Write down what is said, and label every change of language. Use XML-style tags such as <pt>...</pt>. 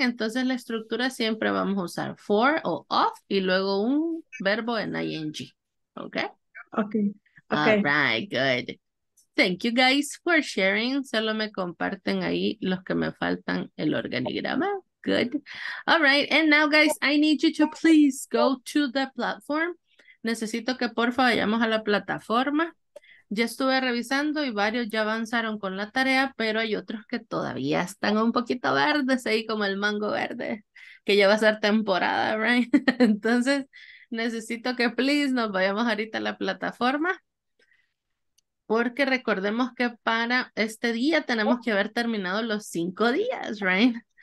<es>Entonces la estructura siempre vamos a usar for o of y luego un verbo en ing.</es> <en>Okay? Okay. All right, good. Thank you guys for sharing.</en> <es>Solo me comparten ahí los que me faltan el organigrama.</es> <en>Good. All right, and now guys, I need you to please go to the platform.</en> <es>Necesito que porfa vayamos a la plataforma. Ya estuve revisando y varios ya avanzaron con la tarea, pero hay otros que todavía están un poquito verdes, ahí como el mango verde, que ya va a ser temporada, right? Entonces, necesito que please nos vayamos ahorita a la plataforma, porque recordemos que para este día tenemos que haber terminado los 5 días, right?</es>